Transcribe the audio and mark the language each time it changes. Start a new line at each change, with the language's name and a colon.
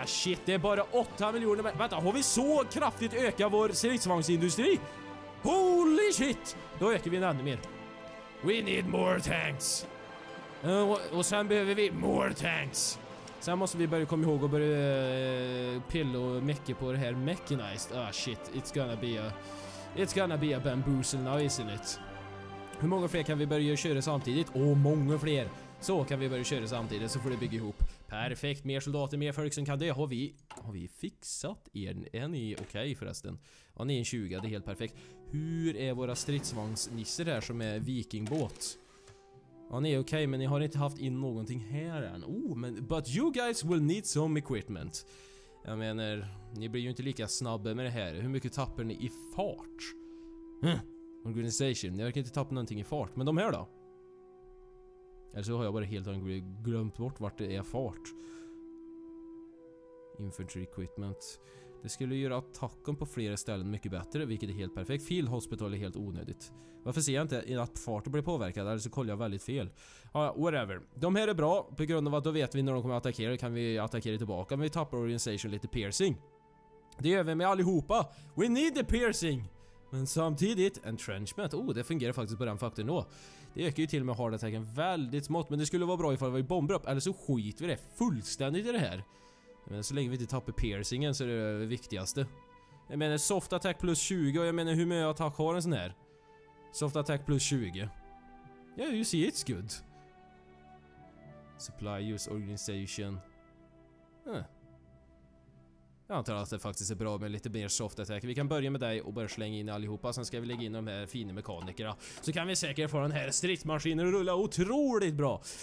Swedish: Ah, shit, det är bara 8 miljoner. Vänta, har vi så kraftigt ökat vår stridsvagnsindustri?
English: Holy shit!
Swedish: Då ökar vi ännu mer.
English: We need more tanks.
Swedish: Och sen behöver vi
English: more tanks.
Swedish: Sen måste vi börja komma ihåg och börja pilla och mecka på det här mechanized.
English: Ah shit, it's gonna be a bamboozle now, isn't it?
Swedish: Hur många fler kan vi börja köra samtidigt? Åh, många fler. Så kan vi börja köra samtidigt, så får det bygga ihop. Perfekt, mer soldater, mer folk som kan dö. Har vi fixat er? Är ni okej förresten? Ja, ni är en 20, det är helt perfekt. Hur är våra stridsvagnsnisser här som är vikingbåt? Ja, ni är okej, men ni har inte haft in någonting här än.
English: Oh, men but you guys will need some equipment.
Swedish: Jag menar, ni blir ju inte lika snabba med det här. Hur mycket tappar ni i fart? Organization, ni verkar inte tappa någonting i fart. Men de här då? Eller så har jag bara helt enkelt glömt bort vart det är fart. Infantry equipment. Det skulle göra attacken på flera ställen mycket bättre, vilket är helt perfekt. Field hospital är helt onödigt. Varför ser jag inte att farten blir påverkad? Eller så kollar jag väldigt fel. Ja, whatever. De här är bra på grund av att då vet vi när de kommer att attackera. Kan vi attackera tillbaka, men vi tappar organisation lite piercing. Det gör vi med allihopa.
English: We need the piercing.
Swedish: Men samtidigt,
English: entrenchment.
Swedish: Oh, det fungerar faktiskt på den faktorn då. Det ökar ju till och med hard attacken väldigt smått. Men det skulle vara bra ifall vi bomber upp. Eller så skiter vi det fullständigt i det här. Men så länge vi inte tappar piercingen så är det det viktigaste. Jag menar soft attack plus 20. Och jag menar hur mycket attack har en sån här?
English: Soft attack plus 20. Yeah, you see it's good. Supply use organization.
Swedish: Jag antar att det faktiskt är bra med lite mer soft attack. Vi kan börja med dig och börja slänga in allihopa. Sen ska vi lägga in de här fina mekanikerna. Så kan vi säkert få den här stridsmaskinen att rulla otroligt bra.